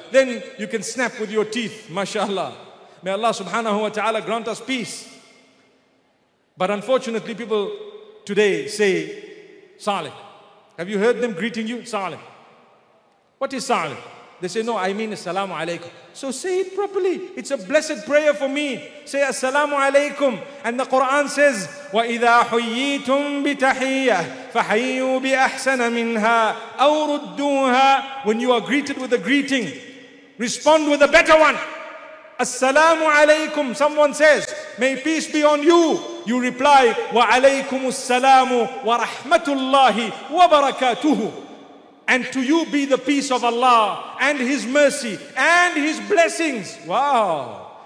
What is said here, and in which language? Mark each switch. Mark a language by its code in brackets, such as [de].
[en] Then you can snap with your teeth. Mashallah. May Allah subhanahu wa ta'ala grant us peace. But unfortunately, people today say Salim. Have you heard them greeting you? Salim. What is Salim? They say, no, I mean Assalamu Alaikum. So say it properly. It's a blessed prayer for me. Say Assalamu Alaikum. And the Quran says, [ar] وَإِذَا حُيِّيتُم بِتَحِيَّةٍ فَحَيُّوا بِأَحْسَنَ مِنْهَا أَوْ رُدُّوهَا. [en] When you are greeted with a greeting, respond with a better one. Assalamu Alaikum. Someone says, may peace be on you. You reply, [ar] wa alaykumus salamu wa rahmatullahi wa barakatuhu. [en] And to you be the peace of Allah and His mercy and His blessings. Wow.